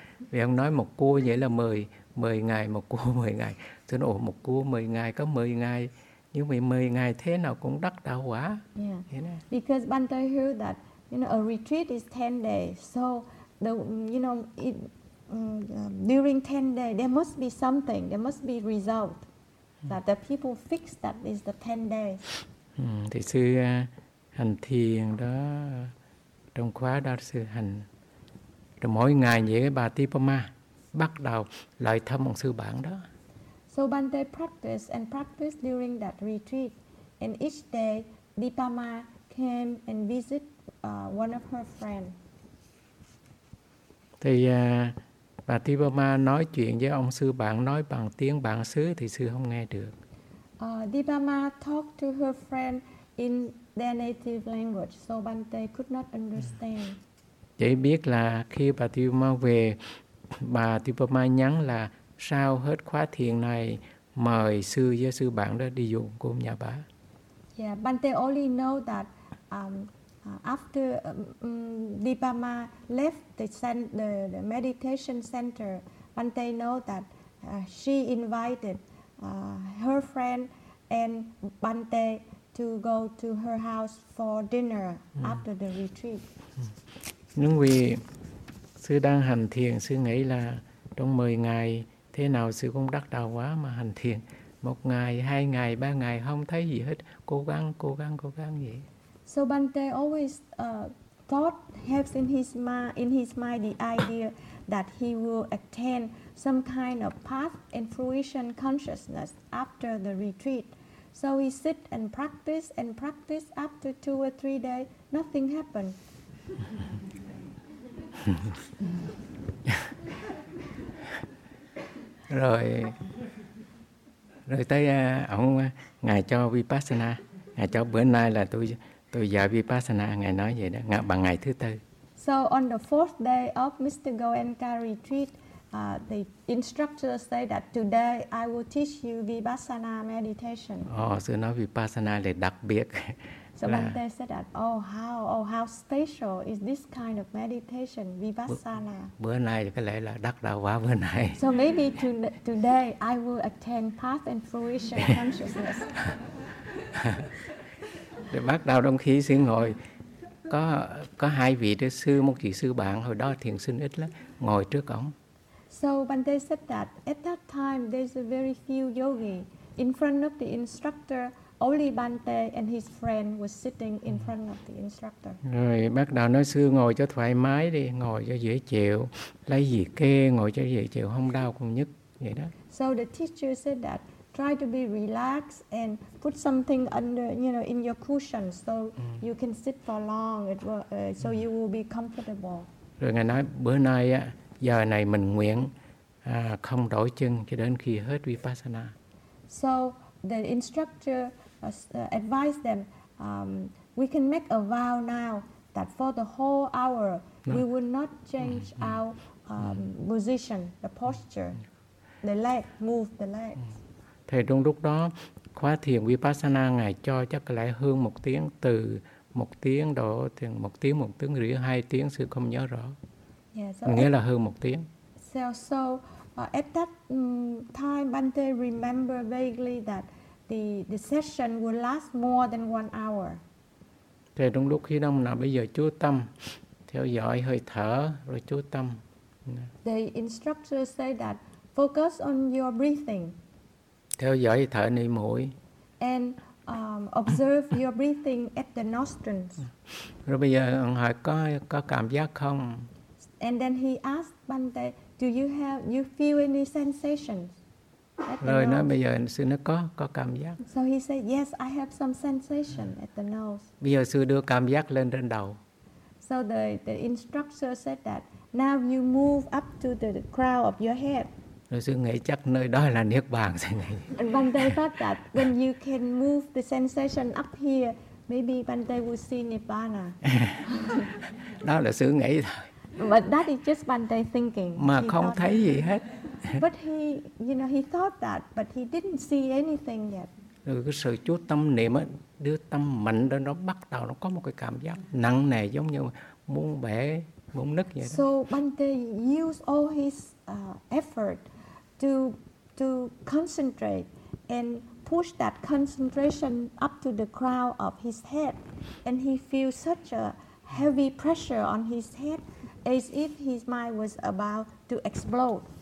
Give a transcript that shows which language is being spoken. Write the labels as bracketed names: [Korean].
[Vietnamese] Vì ông nói một cua vậy là 10 ngày, một cua 10 ngày. Tôi nói, một cua 10 ngày, có 10 ngày. Nhưng mà 10 ngày thế nào cũng đắc đạo quá. [English] Yeah. Because Bhante heard that, you know, a retreat is 10 days. So, during 10 days, there must be something, there must be result that the people fix that is the 10 days. [Vietnamese] Thì sư hành thiền đó, trong khóa đó sư hành, trong mỗi ngày như cái bà Tipama, bắt đầu lại thăm một sư bạn đó. [English] So Bhante practice and practice during that retreat. And each day, Tipama came and visit one of her friend. [Vietnamese] Thì bà Tipama nói chuyện với ông sư bạn nói bằng tiếng bản xứ thì sư không nghe được. [English] Tipama talked to her friend in their native language, so Bhante could not understand. [Vietnamese] Chỉ biết là khi bà Tipama về, bà Tipama nhắn là sau hết khóa thiền này mời sư với sư bạn đó đi dùng cùng nhà bà. [English] Yeah, Bhante only know that after Tipama left the meditation center, Bhante know that she invited her friend and Bhante to go to her house for dinner after the retreat. [Vietnamese] Nhưng vì sư đang hành thiền, sư nghĩ là trong 10 ngày thế nào sư cũng đắc đạo quá mà hành thiền. Một ngày, hai ngày, ba ngày không thấy gì hết. Cố gắng vậy. [English] So Bhante always has in his mind the idea that he will attain some kind of path and fruition consciousness after the retreat. So he sit and practice and practice. After 2 or 3 days, nothing happened. [Vietnamese] Rồi tới ông ngài cho Vipassana, ngài cho bữa nay là tôi dạy Vipassana, ngài nói vậy đó, bằng ngày thứ tư. [English] So on the fourth day of Mr. Goenka retreat, the instructor say that today I will teach you Vipassana meditation. [Vietnamese] Sư nói Vipassana là đặc biệt. [English] So Bhante said that, how special is this kind of meditation, Vipassana. [Vietnamese] Bữa nay có lẽ là đắc đạo quá bữa nay. [English] So maybe today I will attain path and fruition consciousness. [Vietnamese] Bắt đầu trong khi sư ngồi, có hai vị đệ sư, một vị sư bạn hồi đó thiền sinh ít lắm, ngồi trước ổng. [English] So Bhante said that at that time there's a very few yogi in front of the instructor. Only Bhante and his friend was sitting in front of the instructor. [Vietnamese] Rồi bắt đầu nói sư ngồi cho thoải mái đi, ngồi cho dễ chịu, lấy gì kê ngồi cho dễ chịu, không đau còn nhức vậy đó. [English] So the teacher said that try to be relaxed and put something under, you know, in your cushion so you can sit for long. It will, so you will be comfortable. [Vietnamese] Rồi ngài nói bữa nay á, giờ này mình nguyện không đổi chân cho đến khi hết vipassana. [English] So the instructor advised them, we can make a vow now that for the whole hour we will not change our position, the posture, the leg, move the legs. [Vietnamese] Thì trong lúc đó khóa thiền vipassana ngài cho chắc lại hơn một tiếng, từ một tiếng đổ thiền, một tiếng rưỡi, hai tiếng sư không nhớ rõ. [English] Yeah, [Vietnamese] so nghĩa là hơn một tiếng. [English] So at that time, Bhante remember vaguely that the session will last more than one hour. [Vietnamese] Thì trong lúc khi đông nào bây giờ chú tâm theo dõi hơi thở rồi chú tâm. [English] The instructor say that focus on your breathing. [Vietnamese] Theo dõi thở nơi mũi. [English] And observe your breathing at the nostrils. [Vietnamese] Rồi bây giờ hỏi có cảm giác không? [English] And then he asked Bhante, do you have, you feel any sensations? [Vietnamese] Rồi nói bây giờ sư nói có cảm giác. [English] So he said, yes, I have some sensation at the nose. [Vietnamese] Bây giờ sư đưa cảm giác lên trên đầu. [English] So the instructor said that, now you move up to the crown of your head. [Vietnamese] Rồi sư nghĩ chắc nơi đó là Niết Bàn. [English] And Bhante thought that when you can move the sensation up here, maybe Bhante will see Nirvana. [Vietnamese] Đó là sư nghĩ thôi. [English] But that is just Bhante thinking. [Vietnamese] Mà [English] he [Vietnamese] không thấy gì hết. [English] But he, you know, he thought that, but he didn't see anything yet. [Vietnamese] Rồi cái sự chú tâm niệm ấy, đưa tâm mạnh đó, nó bắt đầu nó có một cái cảm giác nặng nề giống như muốn bể, muốn nứt vậy đó. [English] So Bhante used all his effort to concentrate and push that concentration up to the crown of his head, and he feels such a heavy pressure on his head, as if his mind was about to explode.